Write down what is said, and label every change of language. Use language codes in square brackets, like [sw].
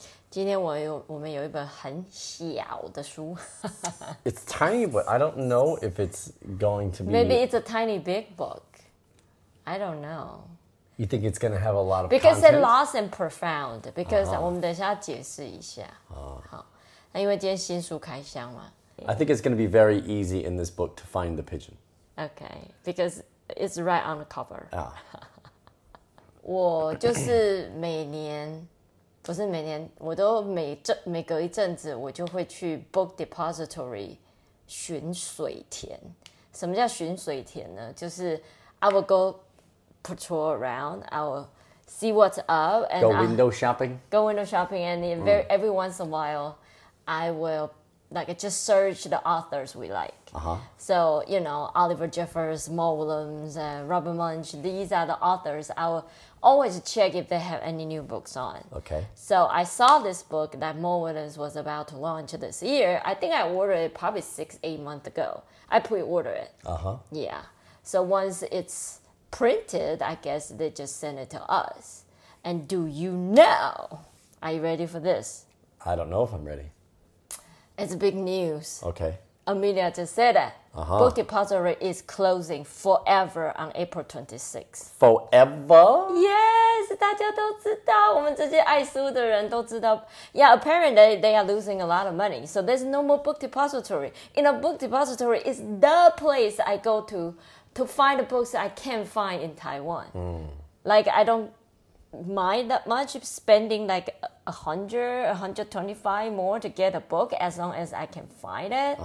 [zh] 今天我们有一本很小的书。 [en] It's tiny, but I don't know if it's going to be. Maybe it's a tiny big book. I don't know. You think it's going to have a lot of because content? Because it's lost and profound. Because [zh] 我们等一下解释一下。好，那因为今天新书开箱嘛。 [en] I think it's going to be very easy in this book to find the pigeon. Okay, because it's right on the cover. Ah. [zh] 我就是每年。不是每年，我都每隔一阵子，我就会去 Book Depository 寻水田。什么叫寻水田呢？ [en] 就是 I will go patrol around, I will see what's up, and go window shopping, and every once in a while, I will like just search the authors we like. So you know, Oliver Jeffers, Moore Williams, Robert Munch. These are the authors I will. Always check if they have any new books on. Okay. So I saw this book that Moore Williams was about to launch this year. I think I ordered it probably 6-8 months ago. I pre-ordered it. Uh-huh. Yeah. So once it's printed, I guess they just send it to us. And do you know? Are you ready for this? I don't know if I'm ready. It's big news. Okay. Amelia just said that. Uh-huh. Book Depository is closing forever on April 26th. Forever? Yes, [zh] 大家都知道，我们这些爱书的人都知道。 [en] Yeah, apparently they are losing a lot of money. So there's no more Book Depository. In a Book Depository is the place I go to find the books I can't find in Taiwan. Mm. Like, I don't mind that much spending like 100, 125 more to get a book as long as I can find it.